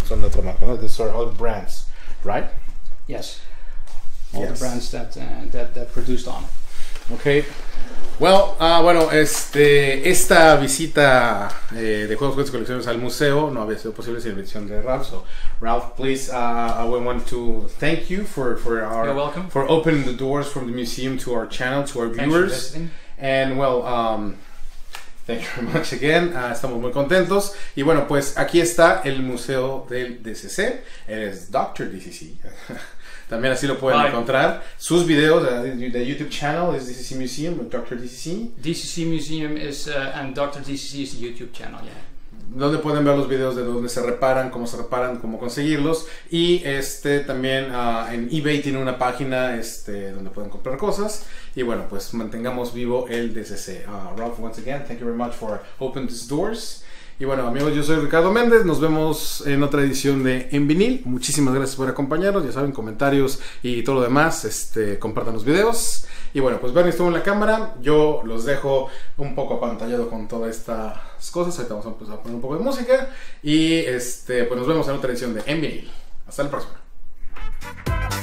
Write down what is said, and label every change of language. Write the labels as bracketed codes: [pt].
[es] son de otra marca, ¿no? [en] These are all brands, right? Yes, all the brands that produced on. Okay. [es] Well, bueno, esta visita de juegos, juegos y colecciones al museo no había sido posible sin la invitación de Ralf. [en] So, Ralf, please, we want to thank you for opening the doors from the museum to our channel, to our viewers. Thanks for listening. And well, thank you very much again. [es] Estamos muy contentos. Y bueno, pues aquí está el museo del DCC. Eres DrDCC. También así lo pueden encontrar. Sus videos, [en] the YouTube channel is DCC Museum with DrDCC. DCC Museum is, and DrDCC is the YouTube channel, yeah. [es] Donde pueden ver los videos de dónde se reparan, cómo conseguirlos. Y también en eBay tiene una página donde pueden comprar cosas. Y bueno, pues mantengamos vivo el DCC. [en] Ralf, once again, thank you very much for opening these doors. [es] Y bueno, amigos, yo soy Ricardo Méndez. Nos vemos en otra edición de En Vinil. Muchísimas gracias por acompañarnos. Ya saben, comentarios y todo lo demás. Compartan los videos. Y bueno, pues Bernie estuvo en la cámara. Yo los dejo un poco apantallado con todas estas cosas. Ahorita vamos a empezar a poner un poco de música. Y pues nos vemos en otra edición de En Vinil. Hasta la próxima.